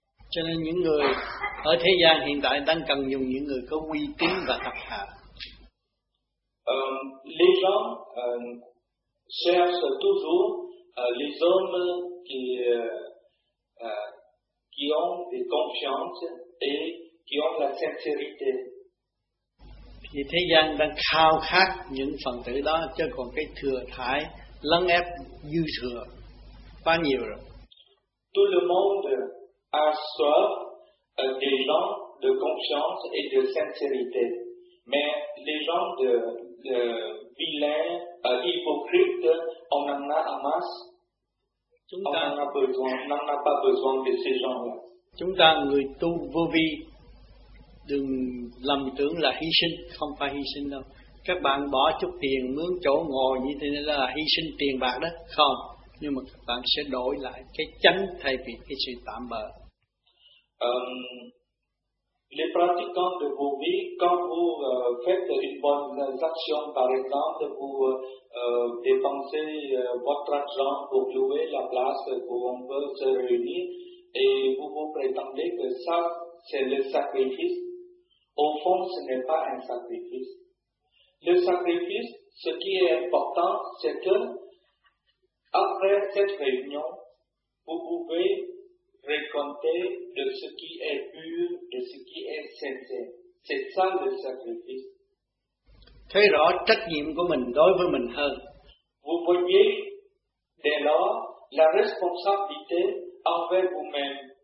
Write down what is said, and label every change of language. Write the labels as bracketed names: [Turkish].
[Vietnamese] Cho nên những người ở thế gian hiện tại đang cần dùng những người có uy tín và tập hạ. [French] Les gens cherchent toujours les hommes qui ont des confiances et qui ont la sincérité. [Vietnamese] Thì thế gian đang khao khát những phần tử đó, chứ còn cái thừa thải lấn ép dư thừa quá nhiều rồi. [French] Tout le monde a soif des gens de conscience et de sincérité, mais les gens de vilains, hypocrites, on en a en masse. On n'en a pas besoin de ces gens-là. [Vietnamese] Chúng ta người tu vô vi, đừng lầm tưởng là hy sinh, không phải hy sinh đâu. Các bạn bỏ chút tiền mướn chỗ ngồi như thế này là hy sinh tiền bạc đó, không. Nhưng mà các bạn sẽ đổi lại cái chánh thay vì cái sự tạm bợ. [French] Les pratiquants de vos vies, quand vous faites une bonne action, par exemple, vous dépensez votre argent pour louer la place où on peut se réunir, et vous vous prétendez que ça, c'est le sacrifice. Au fond, ce n'est pas un sacrifice. Le sacrifice, ce qui est important, c'est que après cette réunion, vous pouvez raconter de ce qui est pur et de ce qui est sincère. C'est ça le sacrifice. [Vietnamese] Thấy rõ trách nhiệm của mình đối với mình hơn. [French] Vous voyez dès lors la responsabilité envers vous-même.